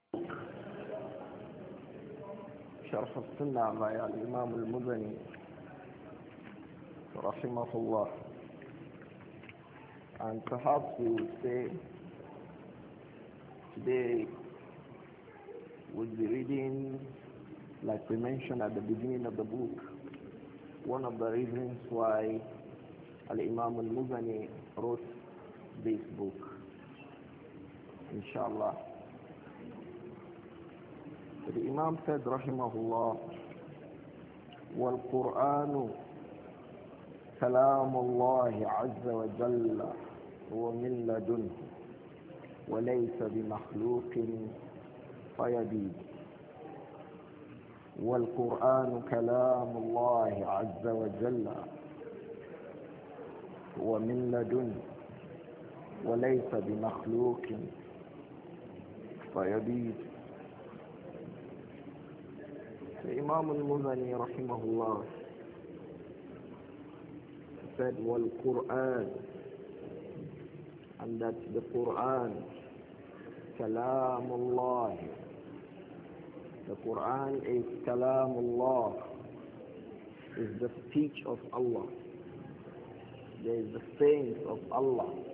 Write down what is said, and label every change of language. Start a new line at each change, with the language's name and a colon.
Arabic: شرح السنة على الإمام المزني رحمه الله عن تحفظ
English: today was the reading like we mentioned at the beginning of the book. One of the reasons why Al-Imam Al-Muzani wrote this book, inshallah. The Imam said, rahimahullah,
Arabic: والقرآن كلام الله عز وجل ومن لدنه وليس بمخلوق فيبيد. والقرآن كلام الله عز وجل ومن لدنه وليس بمخلوق فيبيد. الإمام المزني رحمه الله
English: said,
Arabic: والقرآن,
English: and that the Quran,
Arabic: كلام الله,
English: the Quran is كلام الله, is the speech of Allah, there is the sayings of Allah,